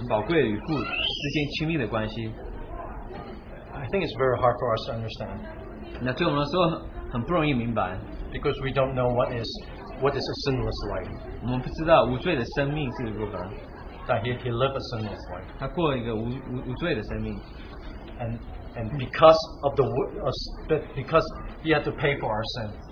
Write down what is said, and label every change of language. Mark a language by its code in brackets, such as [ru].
[zh] 那他就失去了他是很宝贵与父之间亲密的关系。 [en] I think it's very hard for us to understand. [zh] 那对我们来说很不容易明白。 [en] Because we don't know what is a sinless life. [zh] 我们不知道无罪的生命是如何。 [en] That he lived a sinless life. [zh] 他过了一个无罪的生命。 [en] And because he had to pay for our sin.